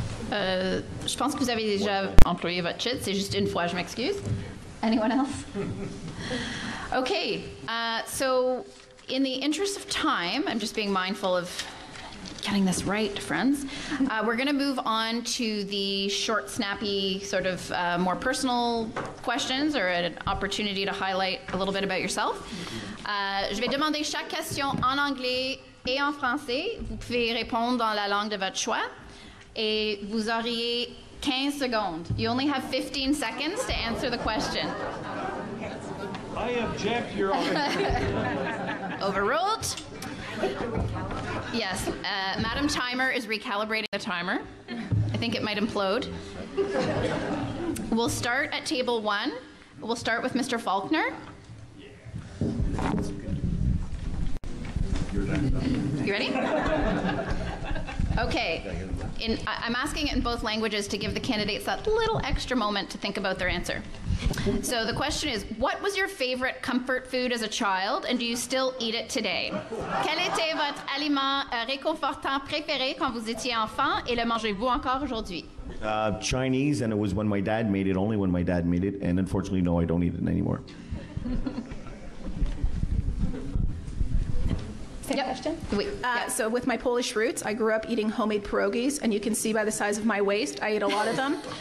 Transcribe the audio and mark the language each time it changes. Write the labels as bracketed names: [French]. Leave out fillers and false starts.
[French] Je pense que vous avez déjà employé votre chit. C'est juste une fois, je m'excuse. [English] Anyone else? Okay, so in the interest of time, I'm just being mindful of getting this right, friends. We're going to move on to the short, snappy, sort of more personal questions or an opportunity to highlight a little bit about yourself. [French] Je vais demander chaque question en anglais et en français. Vous pouvez répondre dans la langue de votre choix. Et vous auriez 15 secondes. [English] You only have 15 seconds to answer the question. I object, Your Honor. Overruled. Yes, Madam Timer is recalibrating the timer. I think it might implode. We'll start at table one. We'll start with Mr. Faulkner. You ready? Okay, I'm asking it in both languages to give the candidates that little extra moment to think about their answer. So the question is, what was your favorite comfort food as a child, and do you still eat it today? [French] Quel était votre aliment réconfortant préféré quand vous étiez enfant, et le mangez-vous encore aujourd'hui? [English] Chinese, and it was when my dad made it, only when my dad made it, and unfortunately, no, I don't eat it anymore. Yep. Question? Oui. Yeah. So with my Polish roots, I grew up eating homemade pierogies, and you can see by the size of my waist, I ate a lot of them.